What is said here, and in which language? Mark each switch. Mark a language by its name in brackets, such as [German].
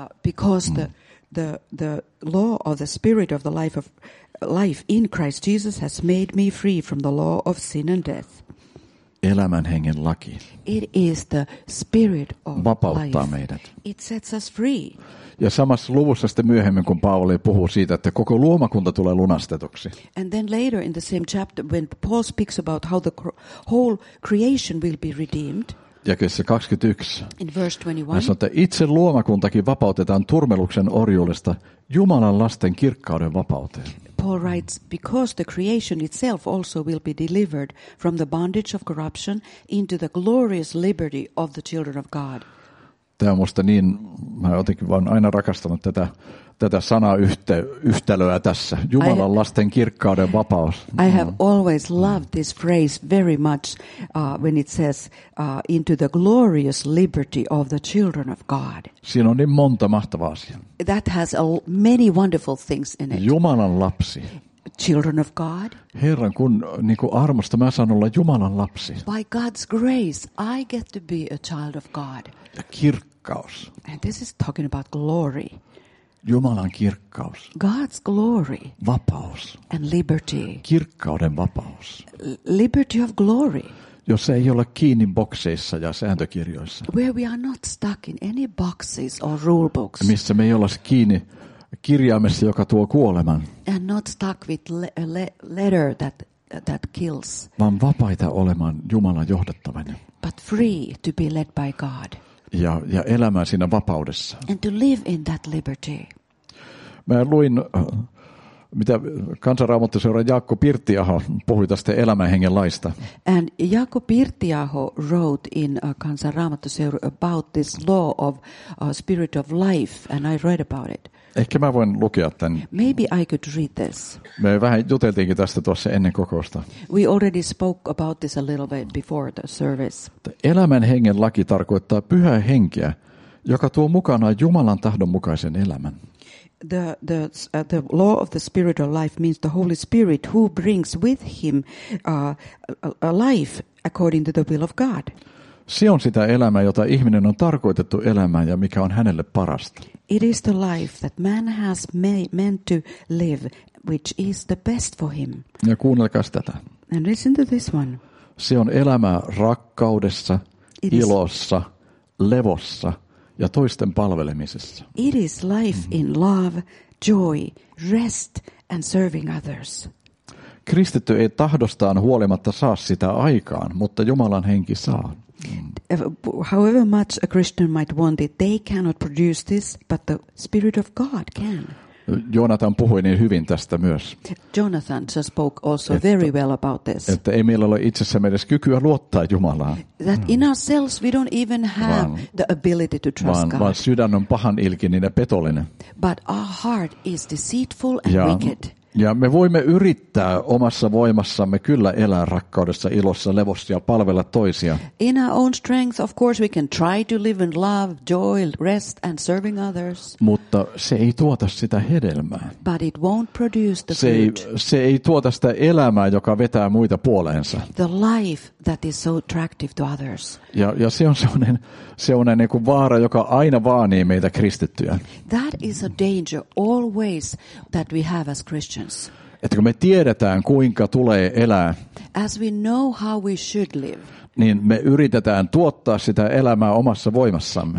[English] Because the law of the spirit of the life in Christ Jesus has made me free from the law of sin and death. [Finnish] Elämän hengen laki. [English] It is the spirit of [Finnish] vapauttaa [English] life. [Finnish] Meidät. [English] It sets us free. [Finnish] Ja samassa luvussa sitten myöhemmin, kun Paavali puhuu siitä, että koko luomakunta tulee lunastetuksi. [English] And then later in the same chapter, when Paul speaks about how the whole creation will be redeemed. [Finnish] Ja kesä 21. [English] In verse 21. [Finnish] Hän sanoo, että itse luomakuntakin vapautetaan turmeluksen orjuudesta Jumalan lasten kirkkauden vapauteen. [English] Paul writes, because the creation itself also will be delivered from the bondage of corruption into the glorious liberty of the children of God. [Finnish] Tämä on musta niin, mä jotenkin vaan aina rakastanut tätä sanaa yhtälöä tässä. Jumalan lasten kirkkauden vapaus. [English] I have always loved this phrase very much when it says into the glorious liberty of the children of God. [Finnish] Siinä on niin monta mahtavaa asiaa. [English] That has many wonderful things in it. [Finnish] Jumalan lapsi. [English] Children of God. [Finnish] Herran, kun niin kuin armosta mä saan olla Jumalan lapsi. [English] By God's grace, I get to be a child of God. [Finnish] Ja kirkkaus. [English] And this is talking about glory. [Finnish] Jumalan kirkkaus. [English] God's glory. [Finnish] Vapaus. [English] And liberty. [Finnish] Kirkkauden vapaus. [English] Liberty of glory. [Finnish] Jos ei ole kiinni bokseissa ja sääntökirjoissa. [English] Where we are not stuck in any boxes or rule books. [Finnish] Missä me ei olla kiinni kirjaimessa, joka tuo kuoleman. [English] And not stuck with a letter that kills. [Finnish] Vaan vapaita olemaan Jumalan johdattavana. [English] But free to be led by God. [Finnish] Ja elämään siinä vapaudessa. [English] And to live in that liberty. [Finnish] Mä luin, mitä kansanraamattoseuran Jaakko Pirttiaho puhui tästä elämänhengen laista. [English] And Jaakko Pirttiaho wrote in kansanraamattoseura about this law of spirit of life, and I read about it. [Finnish] Ehkä mä voin lukea tämän. [English] Maybe I could read this. [Finnish] Me vähän juteltiinkin tästä tuossa ennen kokousta. [English] We already spoke about this a little bit before the service. [Finnish] Elämän hengen laki tarkoittaa pyhää henkeä, joka tuo mukanaan Jumalan tahdon mukaisen elämän. [English] The law of the spirit of life means the Holy Spirit who brings with him a life according to the will of God. [Finnish] Se on sitä elämää, jota ihminen on tarkoitettu elämään ja mikä on hänelle parasta. [English] It is the life that man has meant to live, which is the best for him. [Finnish] Ja kuunnelkaa tätä. [English] And listen to this one. [Finnish] Se on elämää rakkaudessa, ilossa, levossa ja toisten palvelemisessa. [English] It is life in love, joy, rest and serving others. [Finnish] Kristitty ei tahdostaan huolimatta saa sitä aikaan, mutta Jumalan henki saa. [English] However much a Christian might want it, they cannot produce this, but the Spirit of God can. [Finnish] Jonathan puhui niin hyvin tästä myös. [English] Jonathan just spoke also very well about this. [Finnish] Että ei meillä ole itsessämme edes kykyä luottaa Jumalaan. [English] That in ourselves we don't even have the ability to trust God. [Finnish] Vaan sydän on pahan ilkinen ja petollinen. [English] But our heart is deceitful and wicked. [Finnish] Ja me voimme yrittää omassa voimassamme kyllä elää rakkaudessa, ilossa, levossa ja palvella toisia. [English] In our own strength, of course, we can try to live in love, joy, rest and serving others. [Finnish] Mutta se ei tuota sitä hedelmää. [English] But it won't produce the fruit. [Finnish] Se ei tuota sitä elämää, joka vetää muita puoleensa. [English] The life that is so attractive to others. [Finnish] Ja se on sellainen niin kuin vaara, joka aina vaanii meitä kristittyjä. [English] That is a danger always that we have as Christians. [Finnish] Että kun me tiedetään, kuinka tulee elää, [English] as we know how we should live, [Finnish] niin me yritetään tuottaa sitä elämää omassa voimassamme.